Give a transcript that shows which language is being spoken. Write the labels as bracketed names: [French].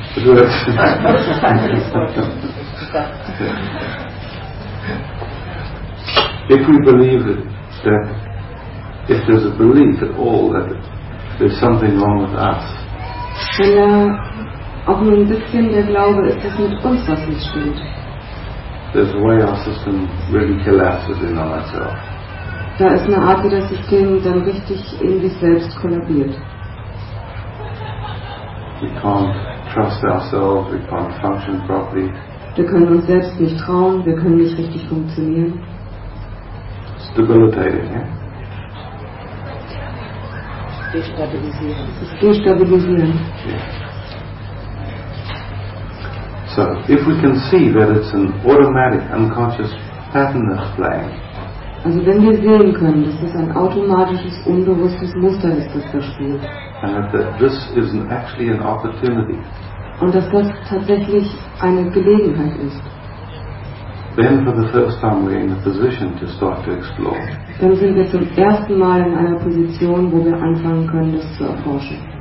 [English] If we believe it, that, if there's a belief at all that there's something wrong with us. [German] Wenn da auch nur ein bisschen der Glaube ist, dass mit uns was nicht stimmt. [English] There's a way our system really collapses in on itself. [German] Da ist eine Art, wie das System dann richtig in sich selbst kollabiert. [English] We can't trust ourselves, we can't function properly. [German] Wir können uns selbst nicht trauen, wir können nicht richtig funktionieren. [English] It's debilitating, yeah? [German] Destabilisieren. [English] Yeah. So, if we can see that it's an automatic unconscious pattern that's playing. [German] Also wenn wir sehen können, dass es ein automatisches, unbewusstes Muster ist, das da spielt. [English] And that this is actually an opportunity. [German] Und dass das tatsächlich eine Gelegenheit ist. [English] Then for the first time we're in a position to start to explore. [German] Dann sind wir zum ersten Mal in einer Position, wo wir anfangen können, das zu erforschen.